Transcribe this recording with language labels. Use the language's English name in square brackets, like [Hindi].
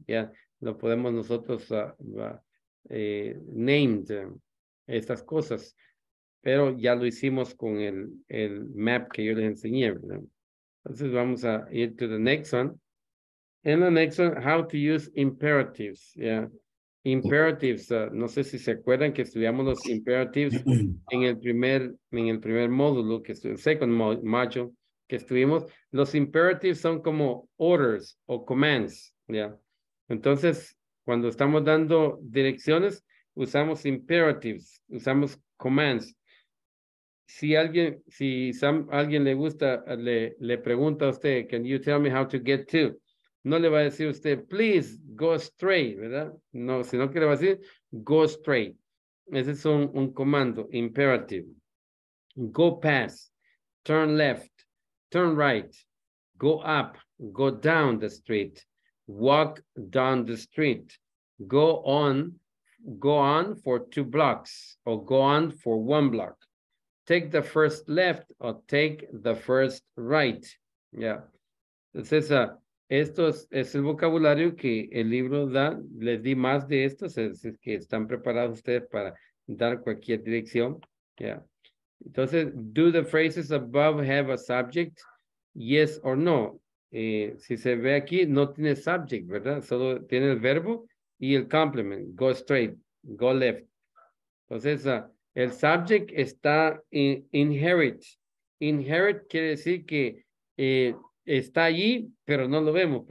[Spanish] Yeah, lo podemos nosotros named estas cosas, pero ya lo hicimos con el map que yo les enseñé, ¿no? Entonces vamos a ir [English] to the next one. In the next one, how to use imperatives. Yeah, imperatives. [Spanish] No sé si se acuerdan que estudiamos los imperatives en el primer módulo, que es el [English] second module. [Spanish] Que estuvimos, los imperatives son como orders o commands, ¿ya? Entonces, cuando estamos dando direcciones, usamos imperatives, usamos commands. Si alguien, si alguien le gusta, le pregunta a usted, [English] can you tell me how to get to? [Spanish] No le va a decir usted, [English] please go straight, [Spanish] ¿verdad? No, sino que le va a decir, [English] go straight. [Spanish] Ese es un comando, imperative. [English] Go past, turn left, turn right, go up, go down the street, walk down the street, go on for two blocks, or go on for one block. Take the first left or take the first right. Yeah. [Spanish] Entonces, esto es el vocabulario que el libro da. Les di más de esto. Es que están preparados ustedes para dar cualquier dirección. Yeah. [English] Entonces, do the phrases above have a subject? Yes or no. [Spanish] Si se ve aquí, no tiene subject, ¿verdad? Solo tiene el verbo y el complement. [English] Go straight. Go left. [Spanish] Entonces, el subject está inherit. Inherit quiere decir que está allí, pero no lo vemos.